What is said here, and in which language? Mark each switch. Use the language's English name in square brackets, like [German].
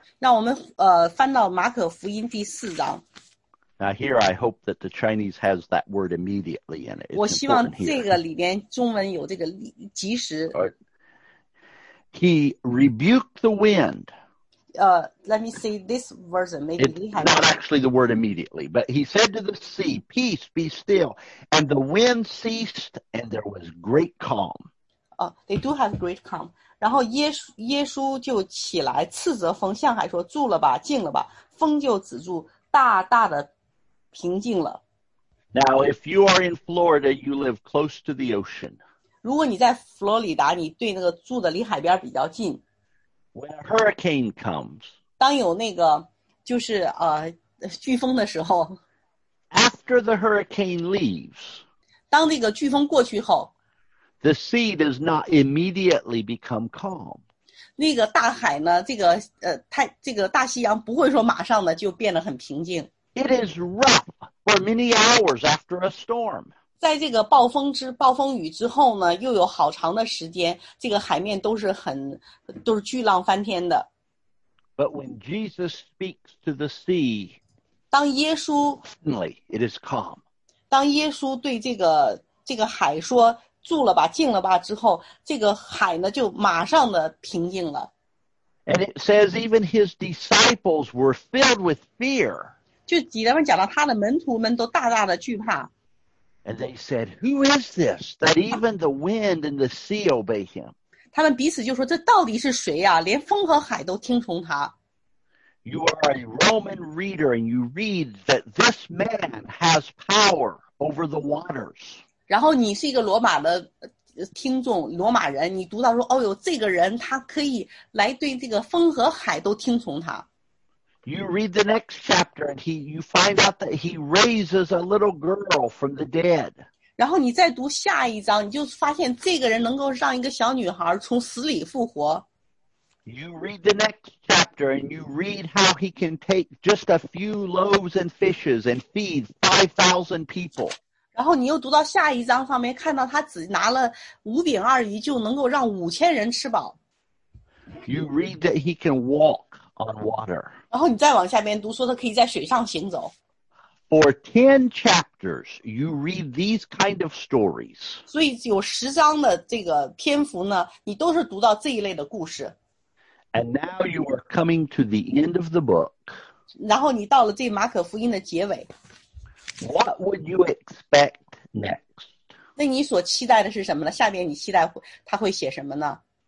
[Chinese] 让我们翻到马可福音第四章。 [English] Now here I hope that the Chinese has that word immediately in it. [Chinese] 我希望这个里边中文有这个及时。 [English] He rebuked the wind. Let me see this version. Maybe it's not actually the word immediately, but he said to the sea, peace, be still. And the wind ceased, and there was great calm. They do have great calm. [Chinese] 然后耶稣就起来斥责风，向海说，住了吧，静了吧。风就止住，大大的平静了。 [English] Now, if you are in Florida, you live close to the ocean. [Chinese] 如果你在佛罗里达，你对那个住的离海边比较近。 [English] When a hurricane comes, [Chinese] 当有那个就是飓风的时候。 [English] After the hurricane leaves, [Chinese] 当那个飓风过去后。 [English] The sea does not immediately become calm. [Chinese] 那个大海呢，这个大西洋不会说马上的就变得很平静。 [English] It is rough for many hours after a storm. [Chinese] 在这个暴风雨之后呢，又有好长的时间，这个海面都是巨浪翻天的。 [English] But when Jesus speaks to the sea, [Chinese] 当耶稣 [English] suddenly it is calm. [Chinese] 当耶稣对这个海说住了吧，静了吧之后，这个海呢就马上的平静了。 [English] And it says even his disciples were filled with fear. [Chinese] 就几段文讲到他的门徒们都大大的惧怕。 [English] And they said, "Who is this that even the wind and the sea obey him?" [Chinese] 他们彼此就说：“这到底是谁呀？连风和海都听从他。” [English] You are a Roman reader, and you read that this man has power over the waters. [Chinese] 然后你是一个罗马的听众，罗马人，你读到说：“哦哟，这个人他可以来对这个风和海都听从他。” [English] You read the next chapter, and you find out that he raises a little girl from the dead. [Chinese] 然后你再读下一章，你就发现这个人能够让一个小女孩从死里复活。 [English] You read the next chapter, and you read how he can take just a few loaves and fishes and feed 5,000 people. [Chinese] 然后你又读到下一章上面，看到他只拿了五饼二鱼就能够让五千人吃饱。 [English] You read that he can walk on water. [Chinese] 然后你再往下边读，说他可以在水上行走。 [English] For 10 chapters, you read these kind of stories. [Chinese] 所以有十章的这个篇幅呢，你都是读到这一类的故事。 [English] And now you are coming to the end of the book. [Chinese] 然后你到了这马可福音的结尾。 [English] What would you expect next? [Chinese] 那你所期待的是什么呢？下边你期待他会写什么呢？